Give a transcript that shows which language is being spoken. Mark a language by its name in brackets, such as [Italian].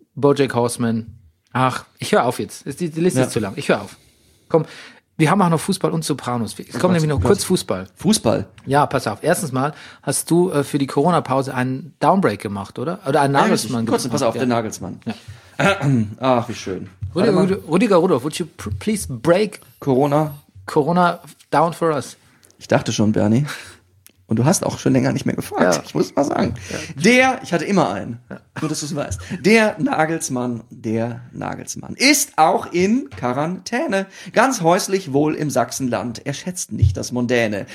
[German] BoJack Horseman. Ach, ich höre auf jetzt. Die Liste ist zu lang. Ich höre auf. Komm, wir haben auch noch Fußball und Sopranos. Es kommt nämlich noch kurz Fußball. Fußball? Ja, pass auf. Erstens mal hast du für die Corona-Pause einen Downbreak gemacht, oder? Oder einen Nagelsmann gemacht. Kurz, pass auf, der Nagelsmann. Ja. Ach, wie schön. [English] Rüdiger Rudolf, would you please break Corona down for us? [German] Ich dachte schon, Bernie. Und du hast auch schon länger nicht mehr gefragt, ich muss mal sagen. Ja. Ich hatte immer einen, nur dass du es weißt. Der Nagelsmann ist auch in Quarantäne. Ganz häuslich wohl im Sachsenland. Er schätzt nicht das Mondäne.